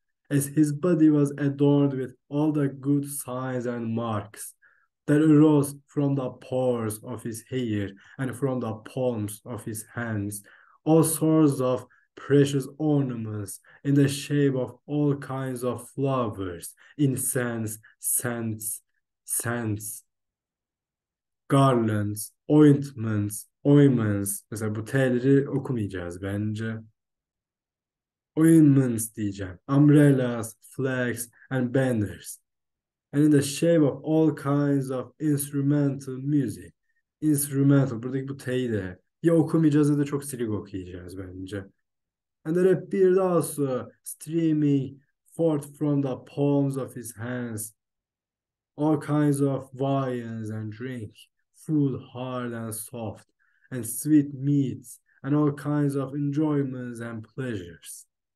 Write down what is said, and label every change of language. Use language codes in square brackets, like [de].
[en] As his body was adorned with all the good signs and marks that arose from the pores of his hair and from the palms of his hands, all sorts of precious ornaments in the shape of all kinds of flowers, incense, scents, garlands, ointments. [tr] Mesela bu T'leri okumayacağız bence. [en] Ointments [tr] diyeceğim. [en] Umbrellas, flags, and banners. And in the shape of all kinds of instrumental music. [tr] Instrumental, buradaki bu T'yi de. Ya okumayacağız ya da çok silik okuyacağız bence. [en] And there appeared also streaming forth from the palms of his hands all kinds of viands and drink, food hard and soft, and sweet meats, and all kinds of enjoyments and pleasures.